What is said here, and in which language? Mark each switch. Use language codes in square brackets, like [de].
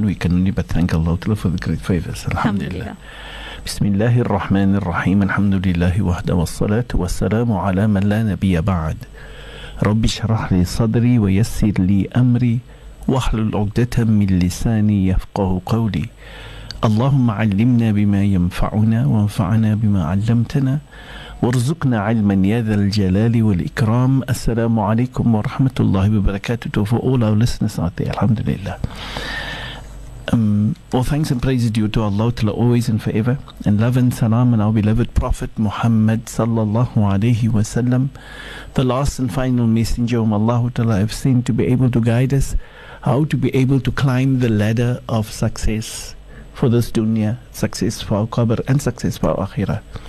[en] We can only but thank Allah for the great favors. Alhamdulillah. [ar] بسم الله الرحمن الرحيم الحمد لله وحده والصلاة والسلام على من لا نبي بعد رب اشرح لي صدري ويسر لي أمري واحلل عقدة من لساني يفقه قولي اللهم علمنا بما ينفعنا وانفعنا بما علمتنا وارزقنا علما يا ذا الجلال والإكرام السلام عليكم ورحمة الله وبركاته [en] for all our listeners out there. Alhamdulillah. All thanks and praise is due to Allah till always and forever, and love and salam on our beloved Prophet Muhammad sallallahu alayhi wa sallam, the last and final messenger whom Allah ta'ala have sent to be able to guide us how to be able to climb the ladder of success for this dunya, success for our qabr, and success for our akhirah.